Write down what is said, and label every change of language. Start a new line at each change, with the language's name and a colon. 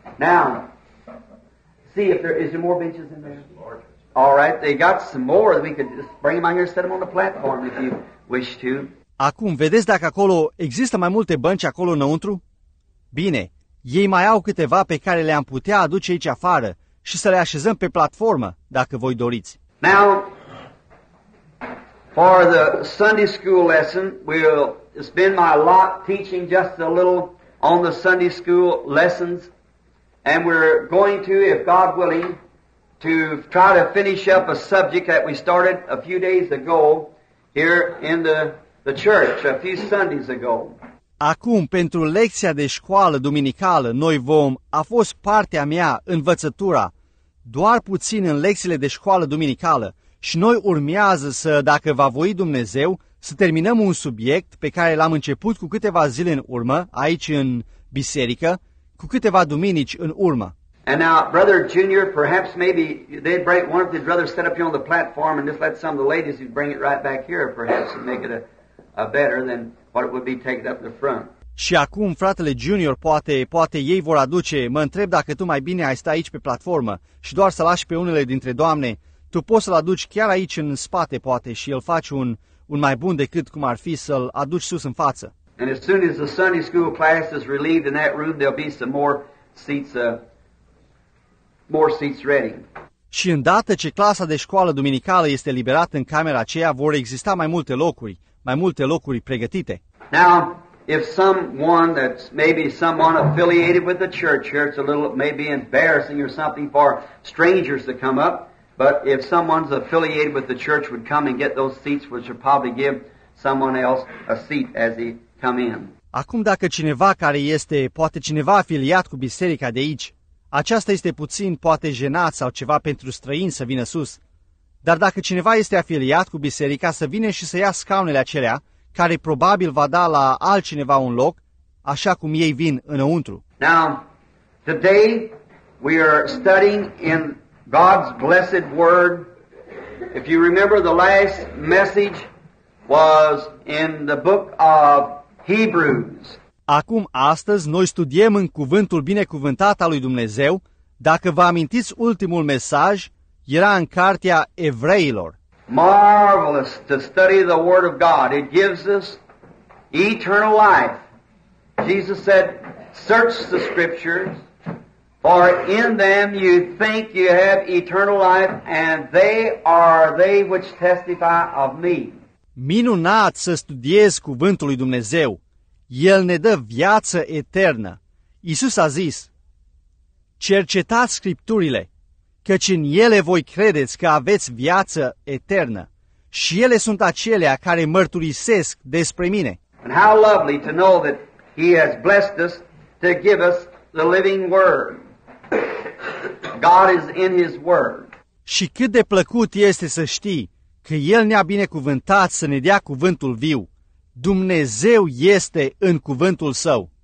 English: Now, see if there is more benches in there. All right, they got some more. We could just bring them on here, set them on the platform if you wish to.
Romanian: Acum, vedeți dacă acolo există mai multe bănci acolo înăuntru? Bine, ei mai au câteva pe care le-am putea aduce aici afară și să le așezăm pe platformă, dacă voi doriți.
English: Now, for the Sunday school lesson, we'll spend my lot teaching just a little on the Sunday school lessons. And we're going to, if God willing, to try to finish up a subject that we started a few days ago here in the church a few Sundays ago.
Romanian: Acum, pentru lecția de școală duminicală, noi vom, a fost partea mea, învățătura, doar puțin în lecțiile de școală duminicală și noi urmează să, dacă va voi Dumnezeu, să terminăm un subiect pe care l-am început cu câteva zile în urmă, aici în biserică, cu câteva duminici în urmă.
English: And now, Brother Junior, perhaps maybe they'd break one of the brothers set up here on the platform and just let some of the ladies bring it right back here, perhaps, and make it a better than what it would be taken up the front.
Romanian: Și acum, fratele Junior, poate ei vor aduce, mă întreb dacă tu mai bine ai sta aici pe platformă și doar să lași pe unele dintre doamne, tu poți să-l aduci chiar aici în spate, poate, și el face un mai bun decât cum ar fi să-l aduci sus în față.
English: And as soon as the Sunday school class is relieved in that room, there'll be some more seats More seats ready.
Romanian: Și îndată ce clasa de școală duminicală este liberată în camera aceea, vor exista mai multe locuri pregătite.
English: Now, if someone that's maybe someone affiliated with the church here, it's a little maybe embarrassing or something for strangers to come up, but if someone's affiliated with the church would come and get those seats, which would probably give someone else a seat as he come in.
Romanian: Acum dacă cineva care este, poate cineva afiliat cu biserica de aici, aceasta este puțin, poate, jenat sau ceva pentru străini să vină sus. Dar dacă cineva este afiliat cu biserica să vină și să ia scaunele acelea, care probabil va da la altcineva un loc, așa cum ei vin înăuntru.
English: Now, today we are studying in God's blessed word. If you remember, the last message was in the book of Hebrews.
Romanian: Acum, astăzi, noi studiem în cuvântul binecuvântat al lui Dumnezeu. Dacă vă amintiți ultimul mesaj, era în cartea Evreilor.
English: Marvelous to study the word of God. It gives us eternal life. Jesus said, search the scriptures, for in them you think you have eternal life, and they are they which testify of me.
Romanian: Minunat să studiezi cuvântul lui Dumnezeu. El ne dă viață eternă. Iisus a zis, cercetați scripturile, căci în ele voi credeți că aveți viață eternă. Și ele sunt acelea care mărturisesc despre mine.
English: And how lovely to know that He has blessed us to give us the living word. God is in His word.
Romanian: Și cât de plăcut este să știi că El ne-a binecuvântat să ne dea cuvântul viu. Dumnezeu este în cuvântul Său.